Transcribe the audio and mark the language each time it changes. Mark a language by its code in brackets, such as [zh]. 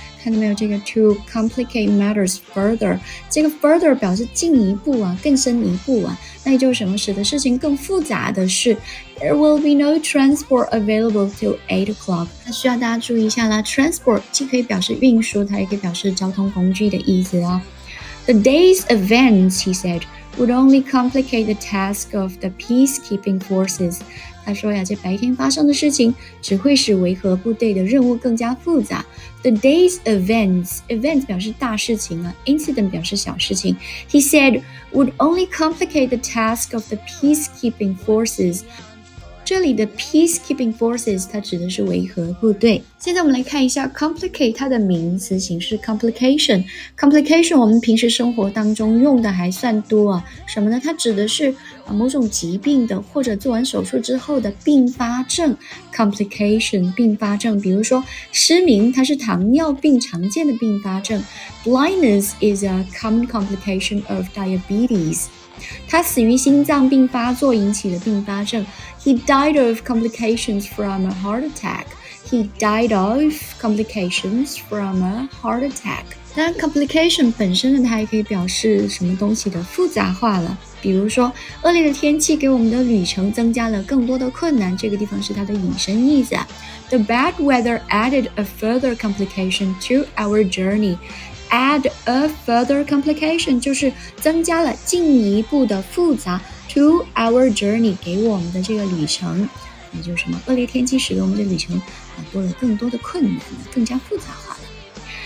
[zh] 看到没有？这个 to complicate matters further，这个 further 表示进一步啊，更深一步啊。那也就是什么？使得事情更复杂的是 ， there will be no transport available till 8 o'clock. 那需要大家注意一下啦。 Transport 既可以表示运输，它也可以表示交通工具的意思啊。 [en] The day's events, he said, would only complicate the task of the peacekeeping forces. [zh] 他说呀，这白天发生的事情只会使维和部队的任务更加复杂。 The day's events 表示大事情啊， incident 表示小事情。 [en] He said, would only complicate the task of the peacekeeping forces. [zh] 这里的 peacekeeping forces 它指的是维和部队。现在我们来看一下 complicate 它的名词形式 complication。 complication 我们平时生活当中用的还算多啊，什么呢？它指的是某种疾病的或者做完手术之后的并发症， complication 并发症。比如说失明它是糖尿病常见的并发症， blindness is a common complication of diabetes。他死于心脏病发作引起的并发症。 [en] He died of complications from a heart attack. He died of complications from a heart attack. [zh] 那 complication 本身呢，它也可以表示什么东西的复杂化了。比如说，恶劣的天气给我们的旅程增加了更多的困难。这个地方是它的引申意思。 [en] The bad weather added a further complication to our journey. [zh] Add a further complication 就是增加了进一步的复杂 to our journey 给我们的这个旅程，也就是什么恶劣天气使得我们的旅程多了更多的困难，更加复杂化了。